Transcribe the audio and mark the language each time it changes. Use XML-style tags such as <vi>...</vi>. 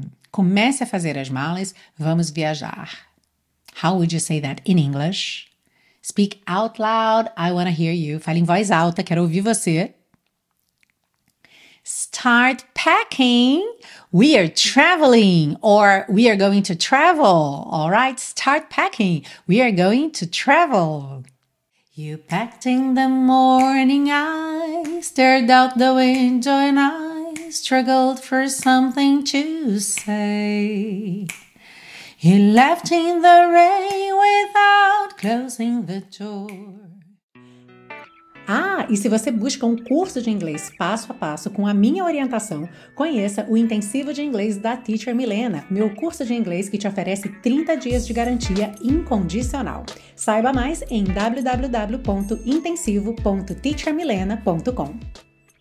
<pt>Comece a fazer as malas, vamos viajar.</pt> <en>How would you say that in English? Speak out loud, I want to hear you.</en> <pt>Fale em voz alta, quero ouvir você.</pt> <en>Start packing. We are traveling or we are going to travel. All right, start packing. We are going to travel. You packed in the morning, I stared out the window and I struggled for something to say. He left in the rain without closing the door.</en> <pt>Ah, e se você busca um curso de inglês passo a passo com a minha orientação, conheça o Intensivo de Inglês da Teacher Milena, meu curso de inglês que te oferece 30 dias de garantia incondicional. Saiba mais em www.intensivo.teachermilena.com.</pt>